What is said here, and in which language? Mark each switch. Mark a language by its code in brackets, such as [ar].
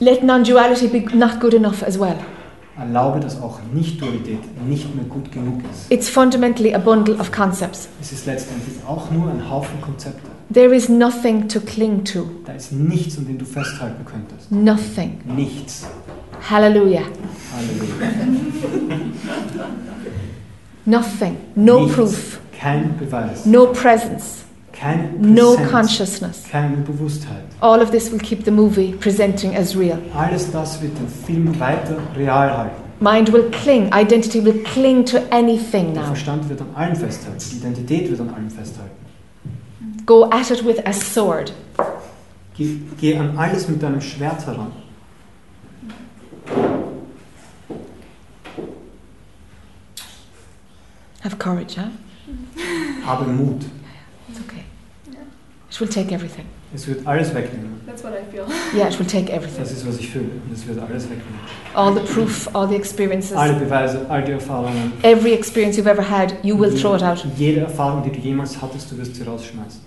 [en] Let non-duality be not good enough as well. [de] Erlaube, dass auch Nicht-Dualität nicht mehr gut genug ist. [en] It's fundamentally a bundle of concepts. [de] Es ist letztendlich auch nur ein Haufen Konzepte. [en] There is nothing to cling to. [de] Da ist nichts, an dem du festhalten könntest. [en] Nothing. [de] Nichts. Hallelujah. Hallelujah. [en] Nothing. No [de] nichts. [en] Proof. [de] Kein Beweis. [en] No presence. [de] Kein [en] no consciousness. [de] Keine Bewusstheit. [en] All of this will keep the movie presenting as real. [de] Alles das wird den Film weiter real halten. [en] Mind will cling. Identity will cling to anything now. [de] Der Verstand wird an allem festhalten. Die Identität wird an allem festhalten. [en] Go at it with a sword. [de] Geh an alles mit deinem Schwert heran. [en] Have courage, huh? [de] Habe Mut. [en] It's okay. Yeah. It will take everything. [de] Es wird alles wegnehmen. [en] That's what I feel. Yeah, it will take everything. [de] Das ist, was ich fühle. Und es wird alles wegnehmen. [en] All the proof, all the experiences. [de] Alle Beweise, all die Erfahrungen. [en] Every experience you've ever had, you will throw it out. [de] Jede Erfahrung, die du jemals hattest, du wirst sie rausschmeißen.